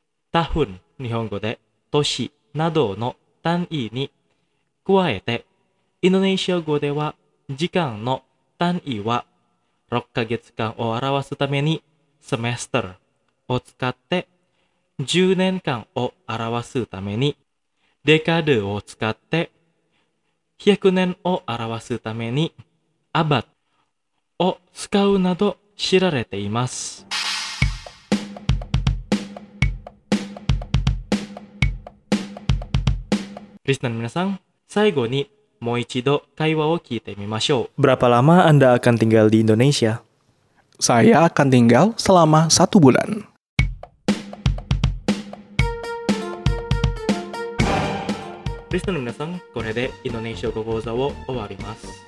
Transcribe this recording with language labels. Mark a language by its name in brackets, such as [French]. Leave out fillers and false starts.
[Japanese] Tahun, Nihongo de toshi nado no tanii ni kuwaete, Indonesia go de wa jikan no tanii wa 6ヶ月間を表すために semester を使って10年間を表すために decade を使って100年を表すために abad を使うなど知られています。リスナーの皆さん、最後にもう一度会話を聞いてみましょう。 [Indonesian] Berapa lama Anda akan tinggal di Indonesia? Saya akan tinggal selama satu bulan. [Japanese] リスナーの皆さん、これでインドネシア語講座を終わります。